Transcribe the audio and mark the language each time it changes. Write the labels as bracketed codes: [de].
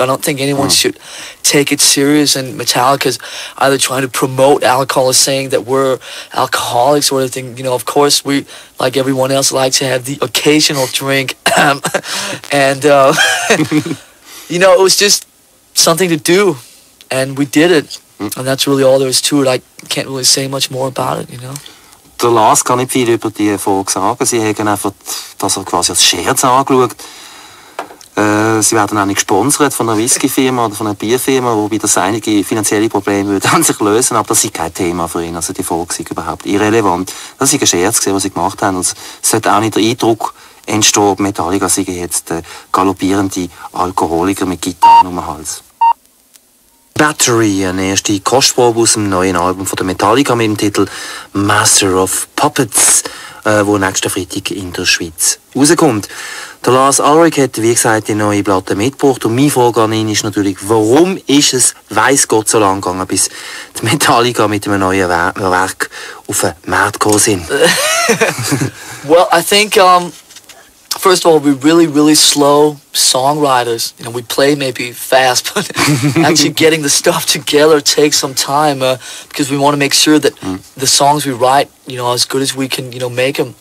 [en] I don't think anyone should take it serious, and Metallica's either trying to promote alcohol or saying that we're alcoholics or anything. You know, of course, we, like everyone else, like to have the occasional drink. And, you know, it was just, something to do, and we did it. And that's really all there is to it. I can't really say much more about it, you know. [de] Der Lars kann nicht viel über die Erfolg sagen. Sie haben einfach das quasi als Scherz angeschaut. Sie werden auch nicht gesponsert von einer Whisky-Firma oder von einer Bierfirma, wobei das einige finanzielle Probleme würde an sich lösen, aber das ist kein Thema für ihn. Also die Folge sind überhaupt irrelevant. Das ist ein Scherz gewesen, was sie gemacht haben. Und es sollte auch nicht der Eindruck entstehen, Metallica sei jetzt galoppierende Alkoholiker mit Gitarren um den Hals. Battery, eine erste Kostprobe aus dem neuen Album von der Metallica mit dem Titel Master of Puppets, wo nächsten Freitag in der Schweiz rauskommt. Der Lars Ulrich hat, wie gesagt, die neue Platte mitgebracht und meine Frage an ihn ist natürlich, warum ist es, weiss Gott, so lang gegangen, bis die Metallica mit einem neuen Werk auf den Markt gekommen sind? [en] Well, I think, first of all, we're really, really slow songwriters. You know, we play maybe fast, but actually getting the stuff together takes some time because we want to make sure that the songs we write, you know, as good as we can, you know, make them.